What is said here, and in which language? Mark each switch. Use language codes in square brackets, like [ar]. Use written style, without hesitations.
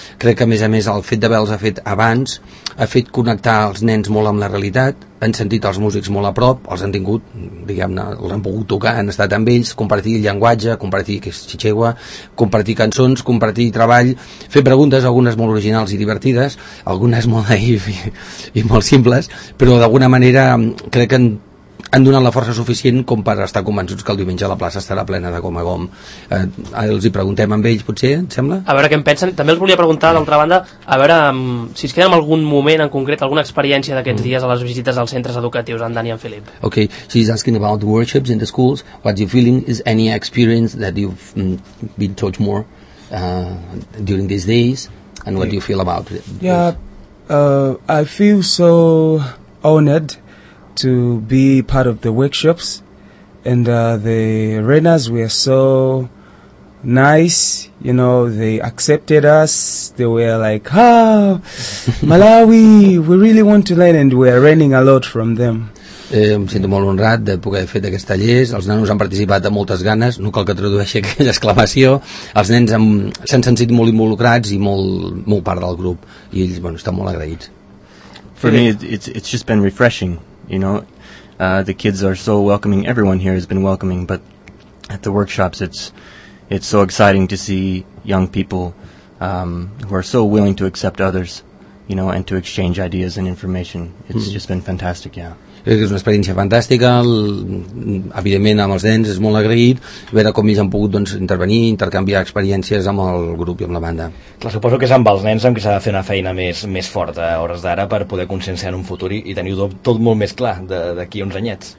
[ca] Crec que, a més, el fet d'haver-los fet abans ha fet connectar els nens molt amb la realitat, han sentit els músics molt a prop, els han tingut, diguem-ne, els han pogut tocar, han estat amb ells, compartir el llenguatge, compartir que és xixegua, compartir cançons, compartir treball, fer preguntes, algunes molt originals i divertides, algunes molt naïf i molt simples, però d'alguna manera crec que han donat la força suficient com per estar convençuts que el diumenge la plaça estarà plena de gom a gom. Els hi preguntem amb ells, potser, em sembla? A veure què en pensen. També els volia preguntar, d'altra banda, a veure si es queda en algun moment en concret, alguna experiència d'aquests dies a les visites als centres educatius, en Dani i en Philip. [en] Ok, she's asking about workshops in the schools. What's your feeling? Is any experience that you've been taught more during these days? And what do you feel about it? Yeah, I feel so honored to be part of the workshops, and the runners were so nice, you know, they accepted us, they were like, ah, Malawi, we really want to learn, and we're learning a lot from them. [ca] Em sento molt honrat de poder fer aquests tallers. Els nanos han participat amb moltes ganes, no cal que tradueixi aquella exclamació. Els nens s'han sentit molt involucrats i molt part del grup, i ells, bueno, estan molt agraïts. [en] For me, it's just been refreshing. You know, the kids are so welcoming. Everyone here has been welcoming, but at the workshops, it's so exciting to see young people who are so willing to accept others, you know, and to exchange ideas and information. It's just been fantastic, yeah. [ca] És una experiència fantàstica, evidentment amb els nens és molt agraït veure com ells han pogut, doncs, intervenir, intercanviar experiències amb el grup i amb la banda. Clar, suposo que és amb els nens amb qui s'ha de fer una feina més forta a hores d'ara per poder conscienciar en un futur i tenir tot molt més clar d'aquí uns anyets.